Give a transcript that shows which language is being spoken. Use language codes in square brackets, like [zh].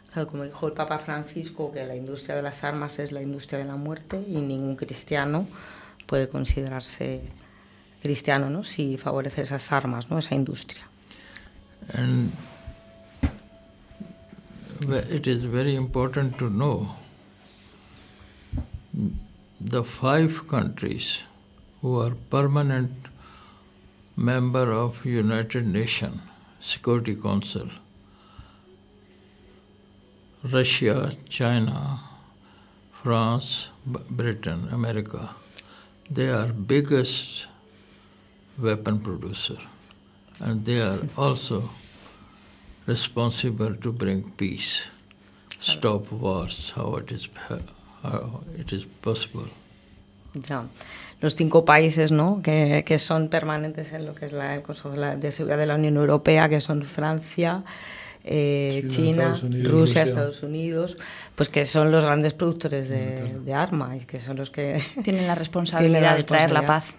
[es] Como dijo el Papa Francisco, que la industria de las armas es la industria de la muerte y ningún cristiano puede considerarse cristiano, ¿no? Si favorece esas armas, ¿no? Esa industria. [en] And it is very important to know the five countries who are permanent member of United Nations Security Council. Russia, China, France, Britain, America. They are biggest weapon producer. And they are also responsible to bring peace, stop wars, how it is possible. [es] Ya. Los cinco países, ¿no? que son permanentes en lo que es el Consejo de Seguridad de la Unión Europea, que son Francia, China, Unidos, Rusia, Estados Unidos, pues que son los grandes productores de armas y que son los que tienen la responsabilidad de traer la paz.